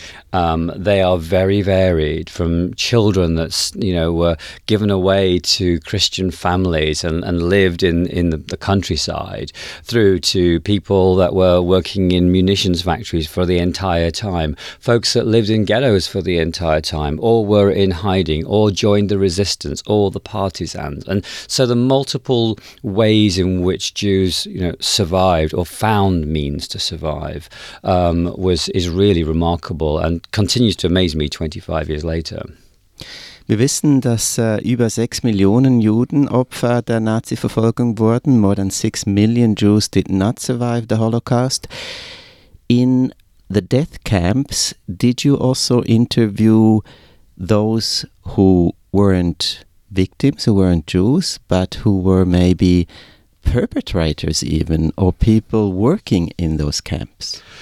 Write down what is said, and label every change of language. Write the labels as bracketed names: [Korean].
[English] They are very varied, from children that were given away to Christian families and lived in the countryside, through to people that were working in munitions factories for the entire time, folks that lived in ghettos for the entire time, or were in hiding, or joined the resistance, or the partisans. And so the multiple ways in which Jews survived or found means to survive is really remarkable and continues to amaze me 25 years later. [German] Wir wissen, dass über 6 Millionen Juden Opfer der Nazi-Verfolgung wurden. [English] More than 6 million Jews did not survive the Holocaust. In the death camps, did you also interview those who weren't victims, who weren't Jews, but who were maybe perpetrators even, or people working in those camps?